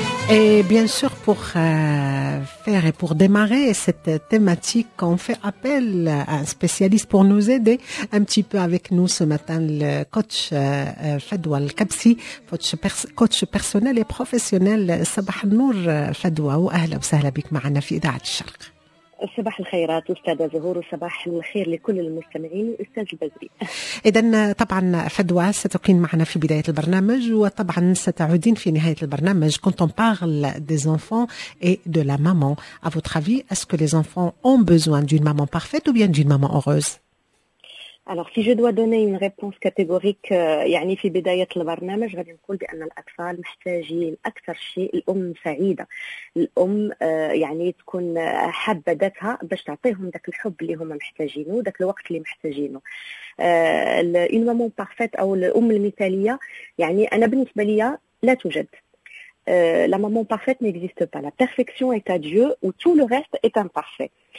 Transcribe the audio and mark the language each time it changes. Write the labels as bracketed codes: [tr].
[fr] Et bien sûr, pour faire et pour démarrer cette thématique, on fait appel à un spécialiste pour nous aider un petit peu avec nous ce matin, le coach Fadwa Al-Kabsi, coach personnel et professionnel. [ar] Sabah al-Nour Fadwa, ou ahla wa sahla bik ma'ana fi Ida'at al-Sharq. صباح الخيرات أستاذة زهور وصباح الخير لكل المستمعين أستاذ البزري. إذن طبعا فدوى ستكون معنا في بداية البرنامج وطبعا ستعودين في نهاية البرنامج. [fr] Quand on parle des enfants et de la maman, à votre avis, est-ce que les enfants ont besoin d'une maman parfaite ou bien d'une maman heureuse? Alors si je dois donner une réponse catégorique, [ar] يعني في بداية البرنامج غادي نقول بأن الأطفال محتاجين أكثر شيء الأم سعيدة. الأم يعني تكون حابة ذاتها باش تعطيهم ذاك الحب اللي هما محتاجينه وذاك الوقت اللي محتاجينه. [fr] إن مامون بارفيت [ar] أو الأم المثالية يعني أنا بالنسبة لي لا توجد. [fr] La maman parfaite n'existe pas. La perfection est à Dieu ou tout le reste est imparfait.